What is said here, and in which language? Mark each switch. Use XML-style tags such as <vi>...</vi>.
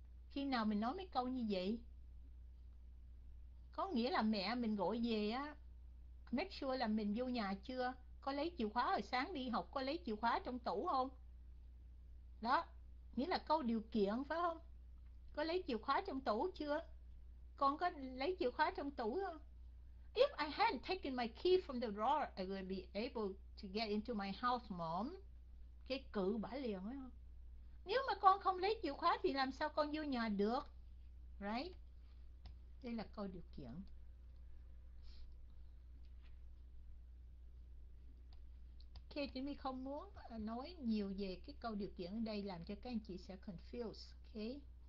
<vi>Khi nào mình nói mấy câu như vậy có nghĩa là mẹ mình gọi về á,</vi> <en>make sure</en> <vi>là mình vô nhà chưa, có lấy chìa khóa, rồi sáng đi học có lấy chìa khóa trong tủ không đó, nghĩa là câu điều kiện phải không? Có lấy chìa khóa trong tủ chưa, con có lấy chìa khóa trong tủ không?</vi> <en>If I hadn't taken my key from the drawer, I would be able to get into my house, mom.</en> <vi>Cái cự bả liền ấy không? Nếu mà con không lấy chìa khóa thì làm sao con vô nhà được? Right? Đây là câu điều kiện. Okay, chị mình không muốn nói nhiều về cái câu điều kiện ở đây làm cho các anh chị sẽ confused. Okay?</vi>